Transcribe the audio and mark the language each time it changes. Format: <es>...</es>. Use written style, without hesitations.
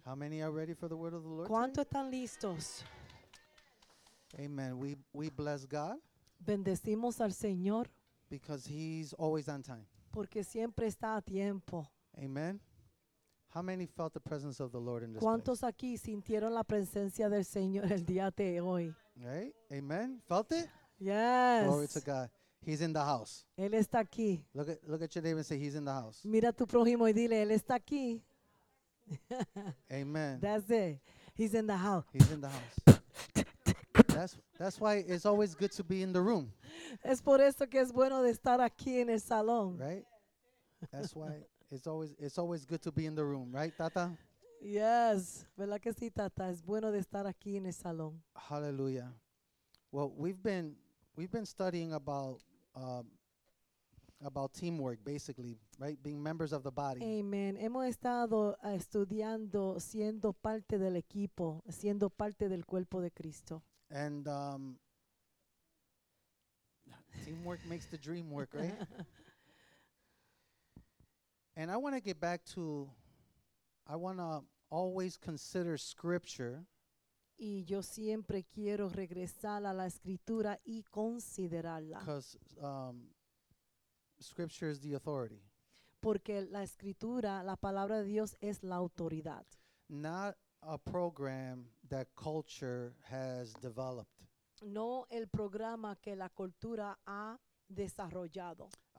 <en>How many are ready for the word of the Lord?</en> <es>¿Cuántos están listos?</es> <en>Amen. We bless God.</en> <es>Bendecimos al Señor.</es> <en>Because he's always on time.</en> <es>Porque siempre está a tiempo.</es> <en>Amen. How many felt the presence of the Lord in this</en> <es>¿Cuántos ¿Cuántos aquí sintieron la presencia del Señor el día de hoy?</es> <en>Right? Amen. Felt it? Yes. Glory to God. He's in the house.</en> <es>Él está aquí.</es> <en>Look at your neighbor and say, he's in the house.</en> <es>Mira a tu prójimo y dile, él está aquí.</es> <en>Amen. That's it. He's in the house. He's in the house. That's why it's always good to be in the room.</en> <es>Es por eso que es bueno de estar aquí en el salón.</es> <en>Right? That's why it's always good to be in the room, right, Tata? Yes.</en> <es>¿Verdad que sí, Tata? Es bueno de estar aquí en el salón.</es> <en>Hallelujah. Well, we've been studying about teamwork, basically, right? Being members of the body. Amen.</en> <es>Hemos estado estudiando siendo parte del equipo, siendo parte del cuerpo de Cristo.</es> <en>And teamwork makes the dream work, right? And I want to get back to, I want to always consider Scripture.</en> <es>Y yo siempre quiero regresar a la Escritura y considerarla.</es> <en>Because Scripture is the authority.</en> <es>Porque la Escritura, la Palabra de Dios, es la autoridad.</es> <en>Not a program that culture has developed.</en> <es>No el programa que la cultura ha desarrollado.</es>